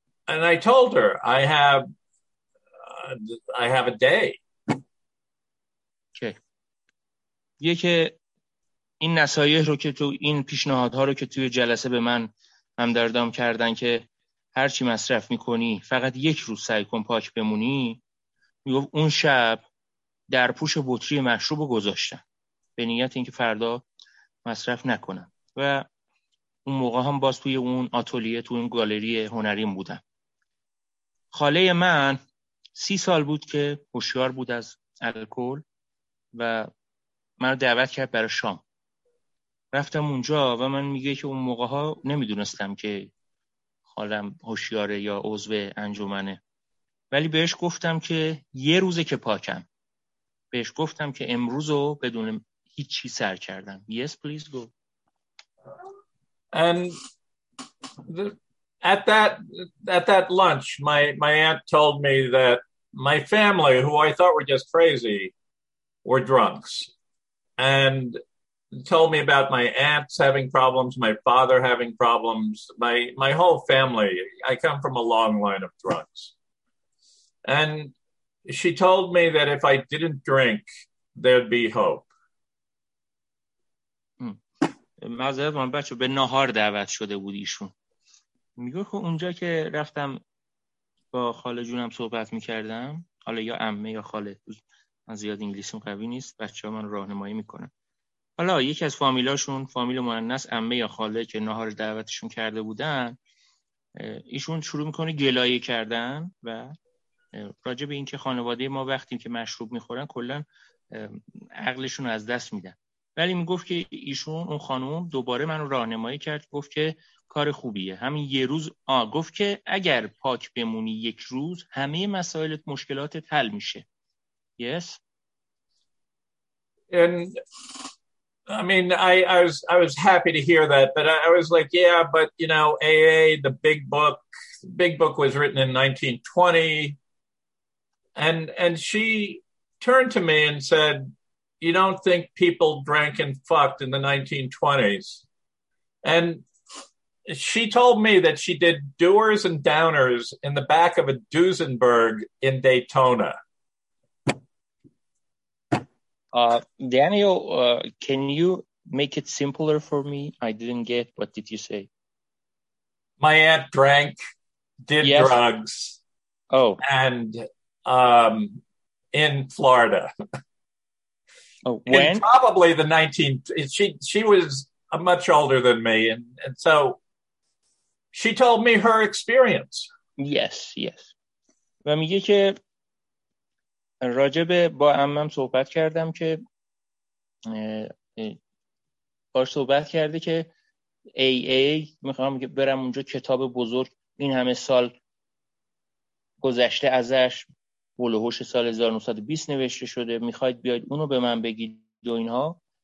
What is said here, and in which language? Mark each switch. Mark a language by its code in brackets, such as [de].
[en] And I told her, I have a day. Okay. [fa] یه که این نصایح رو که تو این پیشنهادها رو که توی جلسه به من هم دردام کردن که هرچی مصرف میکنی فقط یک روز سعی کن پاک بمونی، میگفت اون شب در پوش بطری مشروب رو گذاشتم به نیت اینکه فردا مصرف نکنم. و اون موقع هم باز توی اون آتلیه توی اون گالری هنریم بودم. خاله من 30 سال بود که هوشیار بود از الکل و من رو دعوت کرد برای شام. رفتم اونجا و من میگه که اون موقع ها نمیدونستم که خالم هوشیاره یا عضو انجمنه، ولی بهش گفتم که یه روزه که پاکم، بهش گفتم که امروزو بدون هیچی سر کردم. [en] Yes, please go. And at that lunch, my aunt told me that my family, who I thought were just crazy, were drunks, and told me about my aunts having problems, my father having problems, my whole family. I come from a long line of drunks. And she told me that if I didn't drink, there'd be hope. [fa] معذرت من بچه، به نهار دعوت شده بود ایشون. میگه که اونجا که رفتم با خاله جونم صحبت میکردم، حالا یا عمه یا خاله، من زیاد انگلیسیم قوی نیست، بچه ها من راهنمایی میکنن. حالا یکی از فامیلاشون، فامیل مؤنث، عمه یا خاله که نهار دعوتشون کرده بودن، ایشون شروع میکنه گلایه کردن و راجع به این که خانواده ما وقتی که مشروب میخورن کلن عقلشون از دست میدن. ولی میگفت که ایشون اون خانوم دوباره من رو راهنمایی کرد، گفت که کار خوبیه همین یه روز، گفت که اگر پاک بمونی یک روز همه مسائلت مشکلاتت حل میشه. [en] Yes. And I mean I was happy to hear that, but I was like, yeah, but you know, AA, the big book was written in 1920. And she turned to me and said, you don't think people drank and fucked in the 1920s? And she told me that she did doers and downers in the back of a Duesenberg in Daytona. Daniel, can you make it simpler for me? I didn't get, what did you say? My aunt drank, did yes. drugs. Oh. And in Florida. Oh, when? In probably the 19th. She was much older than me, and so she told me her experience. Yes, yes. [fa] و میگه که راجب با عمم صحبت کردم که باش صحبت کرده که AA میخوام برم اونجا، کتاب بزرگ، این همه سال گذشته ازش، بلوهوش سال 1920 نوشته شده، میخواید بیاید اونو به من بگید و اینها.